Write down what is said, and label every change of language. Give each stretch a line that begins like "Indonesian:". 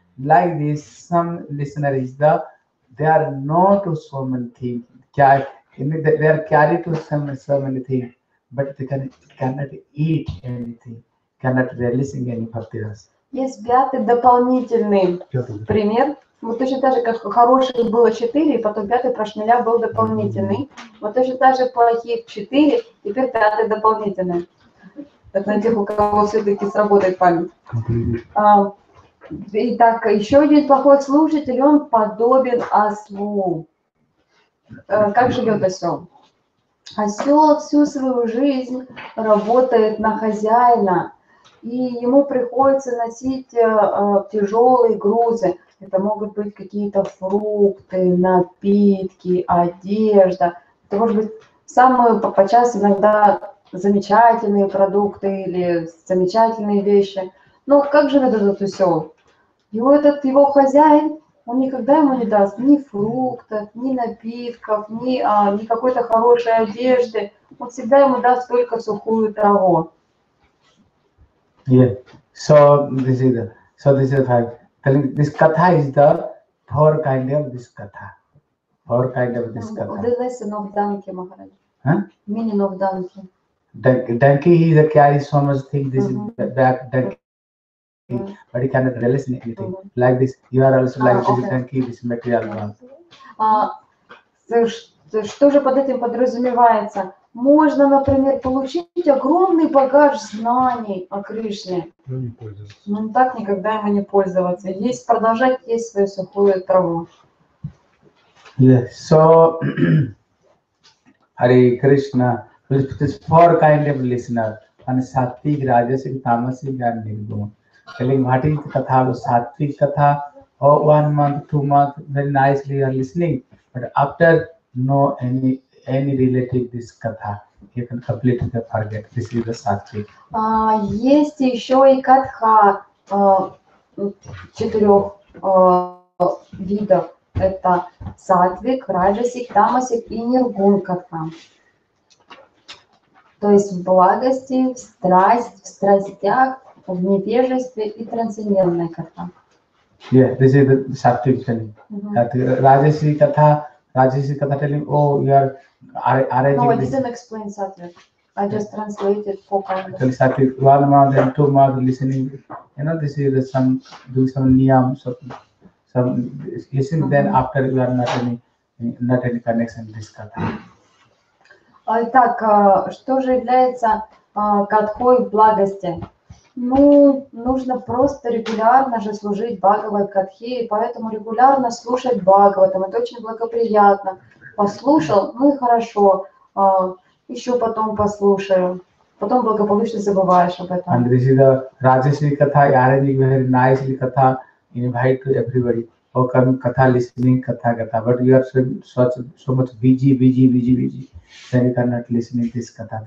English: Like this, some listener is the they are not to so many things. They are carry to so many things, but they cannot eat anything, cannot releasing any bhaktiras.
Russian: Есть пятый дополнительный пример. Вот точно так же, как хороших было четыре, и потом пятый прошмеля был дополнительный. Вот точно так же плохих четыре, теперь пятый дополнительный. Это на тех, у кого все-таки сработает память. Итак, еще один плохой слушатель, он подобен ослу. Как живет осел? Осел всю свою жизнь работает на хозяина, и ему приходится носить тяжелые грузы. Это могут быть какие-то фрукты, напитки, одежда. Это может быть самые подчас иногда замечательные продукты или замечательные вещи. Но как живет этот усел? Его этот его хозяин, он никогда ему не даст ни фруктов, ни напитков, ни какой-то хорошей одежды. Он всегда ему даст только сухую траву.
English: Yeah. So this is fine. Telling this katha is the four kind of this katha. Four kind of this katha. The lesson of Danke Maharaj. Huh? Meaning of Danke. Danke he is a carry so much thing. This is that Danke. Mm-hmm. But he cannot release anything. Mm-hmm. Like this. You are also like this Danke, this material one.
Russian: Что же под этим подразумевается? Можно, например, получить огромный багаж знаний о Кришне. Но не так никогда ему не пользоваться. Есть продолжать есть свою сухую траву.
English: Yes. So, Hare Krishna, it is four kind of listener. And Sattvic, Rajasic, Tamasic and Nirguna. Telling what is Katha, Sattvic Katha, oh, 1 month, 2 months, very nicely you are listening. But after no any any relative this katha. You can completely forget. This is the sakshi.
Russian: Есть еще и катха четырех видов. Это сатвик, раджасик, тамасик и ниргун катха. То есть в благости, в страсть, в страстях, в невежестве и трансцендентная катха.
English: Yeah, this is the sattvic telling. That Rajasi Katha telling, oh, you are arranging. No, I didn't explain sattvic. I just translated for purpose. Tell sattvic, one month and two month listening. You know, this is some, doing some niyam, some listen, then after you are not any connection, this katha.
Russian: Итак, что же является катхой в благости? Ну, нужно просто регулярно же служить Бхагавад Катхе, и поэтому регулярно слушать Бхагаватам. Это очень благоприятно. Послушал, ну и хорошо, еще потом послушаю. Потом благополучно забываешь об этом.
English: And this is the Rajasri Katha, arranging very nicely Katha, invite to everybody. How come Katha listening, Katha? But you are so much busy, then you cannot listen to this Katha.